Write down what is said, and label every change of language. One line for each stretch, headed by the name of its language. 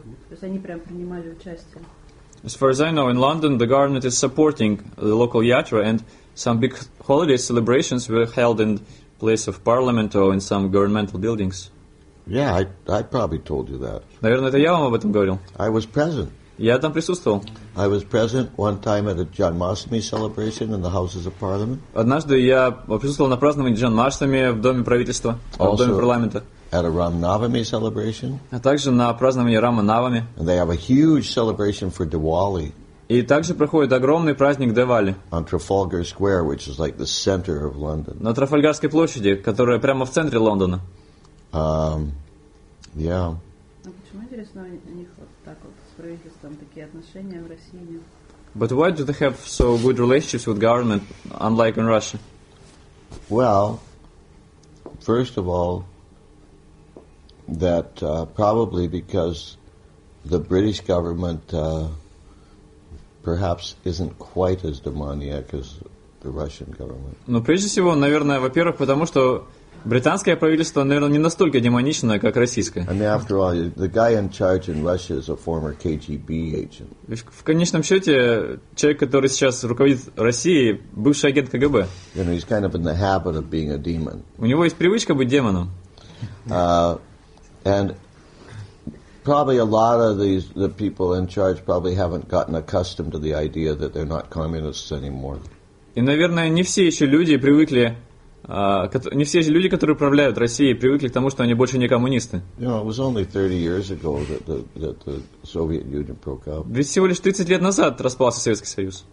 Russian: То есть они прям принимали участие.
English: As far as I know, in London, the government is supporting the local yatra, and some big holiday celebrations were held in place of parliament or in some governmental buildings. Yeah, I probably told you that.
Russian: Наверное, это я вам об этом говорил.
English: I was present.
Russian: Я там присутствовал.
English: I was present one time at a Janmashtami celebration in the Houses of Parliament.
Russian: Однажды я присутствовал на праздновании Джанмаштами в доме правительства, в доме парламента.
English: At a Ramnavami celebration.
Russian: А также на праздновании Рама-Навами.
English: And they have a huge celebration for Diwali.
Russian: И также проходит огромный праздник Дивали.
English: On Trafalgar Square, which is like the center of London.
Russian: На Трафальгарской площади, которая прямо в центре Лондона.
English: Yeah.
Russian: Но почему, интересно, у них вот так вот с правительством такие отношения в России нет?
English: But why do they have so good relationships with government, unlike in Russia? Well, first of all, that probably because the British government perhaps isn't quite as demoniac as the Russian government.
Russian: Ну, прежде всего, наверное, во-первых, потому что британское правительство, наверное, не настолько демоничное, как российское.
English: I mean, after all, the guy in charge in Russia is a former KGB agent.
Russian: В конечном счете, человек, который сейчас руководит Россией, бывший агент КГБ.
English: You know, he's kind of in the habit of being a demon.
Russian: У него есть привычка быть демоном.
English: And probably a lot of these the people in charge probably haven't gotten accustomed to the idea that they're not communists anymore.
Russian: И, наверное, не все еще люди привыкли. Не все люди, которые управляют Россией, привыкли к тому, что они больше не коммунисты. Ведь всего лишь 30 лет назад распался Советский Союз.